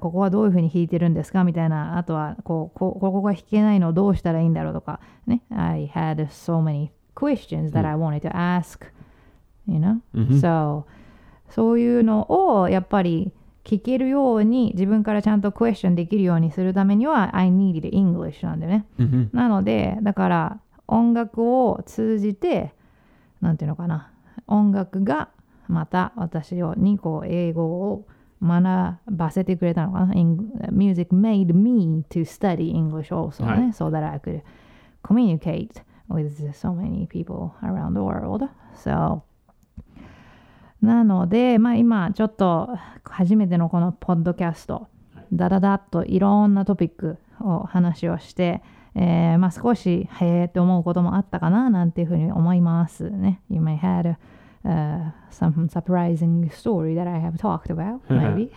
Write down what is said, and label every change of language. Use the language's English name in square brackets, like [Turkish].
[Japanese] ここはどういう風に弾いてるんですかみたいな。あとはここが弾けないのどうしたらいいんだろうとか。 [English] ね。I had so many. questions that I wanted to ask, you know?、 Mm-hmm. [Japanese] So, そういうのをやっぱり聞けるように自分からちゃんとクエスチョンできるようにするためには [English] I needed English [Japanese] なんだよね。 Mm-hmm. なので、だから音楽を通じて、なんていうのかな、音楽がまた私をにこう英語を学ばせてくれたのかな。 [English] Music made me to study English also,、ね、so that I could communicate. With so many people around the world. [Japanese] So, なので、まあ今ちょっと初めてのこのポッドキャスト、ダダダッといろんなトピックを話をして、まあ少し、へーって思うこともあったかななんていうふうに思いますね。 [English] You may have some surprising story that I have talked about, maybe.